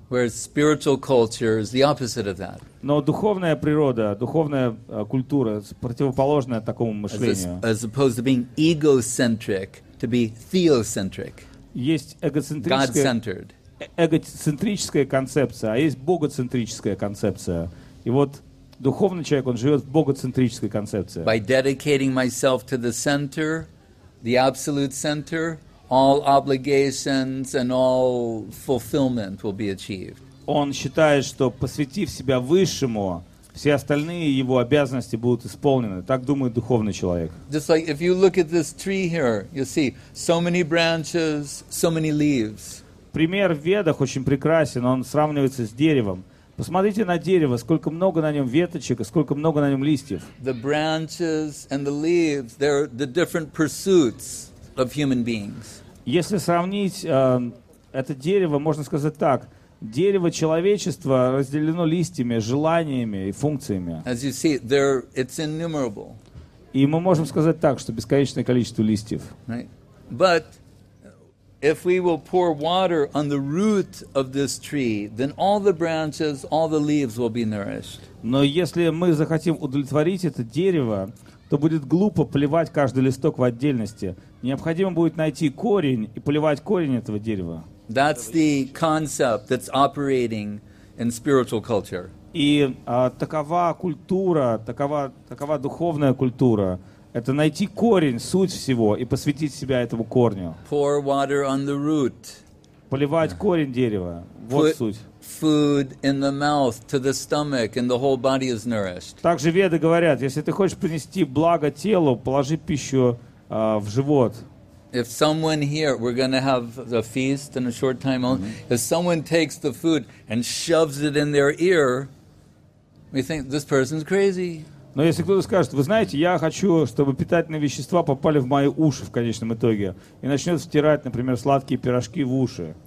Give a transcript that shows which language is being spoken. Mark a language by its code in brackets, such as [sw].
[en] Whereas spiritual culture is the opposite of that. [ru] Но духовная природа, духовная культура противоположная такому мышлению. [en] As opposed to being egocentric, to be theocentric. [ru] Есть эгоцентрическая концепция, а есть богоцентрическая концепция. И вот духовный человек, он живет в богоцентрической концепции. [en] By dedicating myself to the center, the absolute center, all obligations and all fulfillment will be achieved. [ru] Он считает, что посвятив себя высшему, все остальные его обязанности будут исполнены. Так думает духовный человек. [en] Just like if you look at this tree here, you'll see so many branches, so many leaves. [ru] Пример в Ведах очень прекрасен, он сравнивается с деревом. Посмотрите на дерево, сколько много на нем веточек, сколько много на нем листьев. [en] The branches and the leaves, they're the different pursuits of human beings. [ru] Если сравнить это дерево, можно сказать так: дерево человечества разделено листьями, желаниями и функциями. [en] As you see, there it's innumerable. [ru] И мы можем сказать так, что бесконечное количество листьев. [en] Right. But if we will pour water on the root of this tree, then all the branches, all the leaves will be nourished. [ru] Но если мы захотим удовлетворить это дерево, то будет глупо поливать каждый листок в отдельности. Необходимо будет найти корень и поливать корень этого дерева. [en] That's the concept that's operating in spiritual culture. [ru] И такова культура, такова духовная культура. Это найти корень, суть всего, и посвятить себя этому корню. [en] Pour water on the root. [ru] Поливать [en] yeah. [ru] корень дерева. Вот [en] Put [ru] суть. [en] Food in the mouth to the stomach, and the whole body is nourished. [ru] Также веды говорят, если ты хочешь принести благо телу, положи пищу в живот. [en] If someone here, we're going to have a feast in a short time only. Mm-hmm. If someone takes the food and shoves it in their ear, we think this person's crazy. [ru] Но если кто-то скажет, вы знаете, я хочу, чтобы питательные вещества попали в мои уши в конечном итоге, и начнет втирать, например, сладкие пирожки в уши.